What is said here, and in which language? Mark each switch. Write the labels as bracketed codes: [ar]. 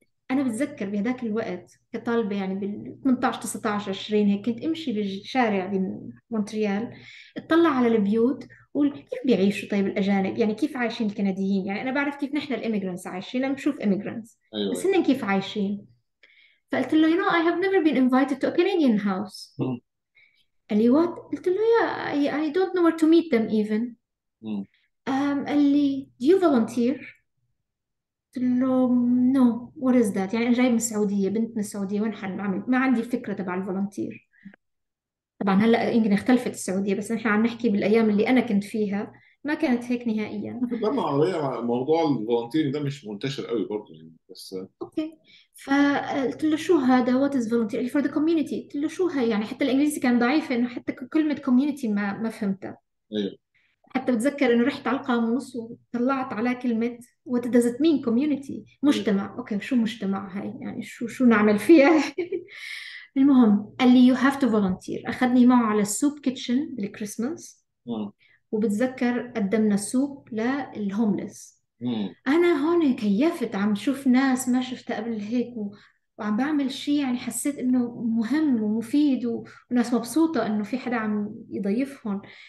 [ar] أنا بتذكر بهذاك الوقت كطالبة يعني بال 18 19 20 هيك، كنت أمشي بالشارع بمونتريال اطلع على البيوت وقول كيف بيعيشوا طيب الأجانب، يعني كيف عايشين الكنديين، يعني أنا بعرف كيف نحن الإيميجرانتس عايشين، أنا بشوف إيميجرانتس ايوه بس هن كيف عايشين. فقلت له [en] you know I have never been invited to a Canadian house. [ar] قال لي [en] what؟ [ar] قلت له [en] yeah, I don't know where to meet them even. [ar] قال لي [en] do you volunteer؟ [ar] قلت له [en] no, what is that؟ [ar] يعني أنا جاي من السعودية، بنت من السعودية، وين حل بعمل؟ ما عندي فكرة تبع الفولنتير. طبعا هلأ يمكن اختلفت السعودية، بس نحن عم نحكي بالأيام اللي أنا كنت فيها ما كانت هيك نهائيا. لما عربية موضوع الفولنتير ده مش منتشر قوي برضه يعني، بس أوكي، فقلت له شو هذا، [en] what is volunteer؟ [ar] قال لي [en] for the community. [ar] قلت له شو هاي، يعني حتى الإنجليزي كان ضعيف، إنه حتى كلمة community ما فهمتها. ايوه حتى بتذكر انه رحت على القاموس وطلعت على كلمة [en] what does it mean community، [ar] مجتمع. اوكي شو مجتمع هاي، يعني شو نعمل فيها. المهم قال لي [en] you have to volunteer. [ar] اخذني معه على السوب كيتشن للكريسماس، وبتذكر قدمنا سوب للهومليس. انا هون كيفت، عم شوف ناس ما شفتها قبل هيك وعم بعمل شيء، يعني حسيت انه مهم ومفيد وناس مبسوطة انه في حدا عم يضيفهم.